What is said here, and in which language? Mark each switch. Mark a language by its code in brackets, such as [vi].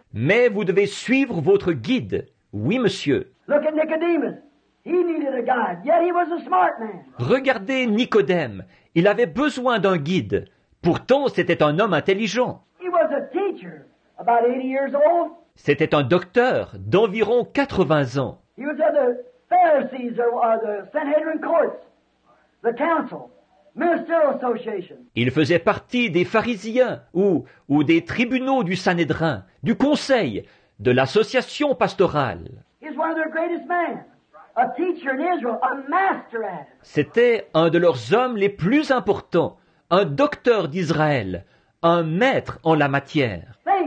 [fr] Mais vous devez suivre votre guide. Oui, monsieur. [en] Look at Nicodemus. He needed a guide, yet he was a smart man. [fr] Regardez Nicodème. Il avait besoin d'un guide. Pourtant, c'était un homme intelligent. [en] He was a teacher, about 80 years old. [fr] C'était un docteur d'environ 80 ans. [en] He was at the Pharisees or the Sanhedrin courts, the council, ministerial association. [fr] Il faisait partie des pharisiens ou des tribunaux du Sanhédrin, du conseil, de l'association pastorale. [en] He's one of their greatest men, a teacher in Israel, a master at it. [fr] C'était un de leurs hommes les plus importants. Un docteur d'Israël, un maître en la matière.